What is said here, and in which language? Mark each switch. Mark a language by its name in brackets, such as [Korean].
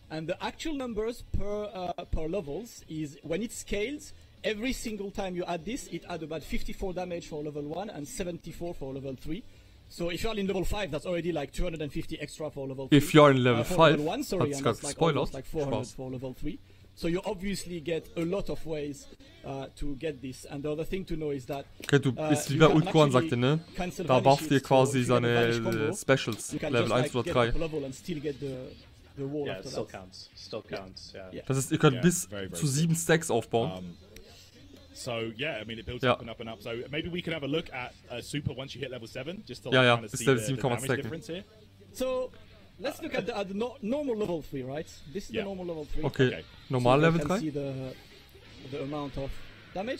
[English] And the actual numbers per levels is when it scales, every single time you add this, it adds about 54 damage for level 1 and 74 for level 3. So if you are in level 5, that's already like 250 extra for level 3. If you are in level 5, level 1, sorry, that's got spoiler. Like 400 for level 3. So you obviously get a lot of ways to get this. And the other thing to know is that... [German] Okay, du bist wie bei Ultkorn, sagt er, ne? Da bufft ihr quasi seine Specials, Level 1 oder 3. [English] You can just like, get the level and still get the wall. Yeah, still counts. Yeah. [German] Das ist, ihr könnt bis zu 7 Stacks aufbauen. [English] So yeah, I mean it builds up and up and up. So maybe we can have a look at a super once you hit level 7, just to kind of see the damage difference here. So let's look at the normal level 3, right? This is the normal level 3. Okay. Normal level 3. So you can see the amount of damage.